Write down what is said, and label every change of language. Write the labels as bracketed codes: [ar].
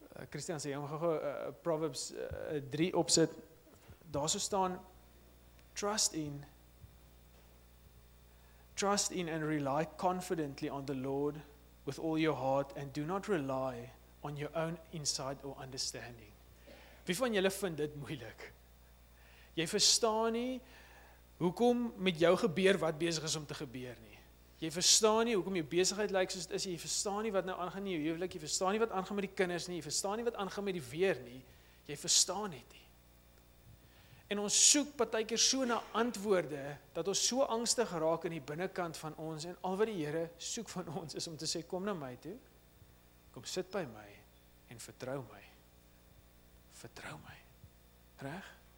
[af] Christian sê, jy moet gou Proverbs 3 opsit. Daar so staan, [en] trust in and rely confidently on the Lord with all your heart and do not rely on your own insight or understanding. [af] Wie van julle vind dit moeilik? Jy verstaan nie hoekom met jou gebeur wat besig is om te gebeur nie. Jy verstaan nie hoekom jou besigheid lyk soos dit is, jy verstaan nie wat nou aangaan in jou huwelik, jy verstaan nie wat aangaan met die kinders nie, jy verstaan nie wat aangaan met die weer nie, jy verstaan net nie. En ons soek partykeer so na antwoorde, dat ons so angstig raak in die binnenkant van ons, en al wat die Here soek van ons is om te sê, kom na my toe, kom sit by my, en vertrou my, reg?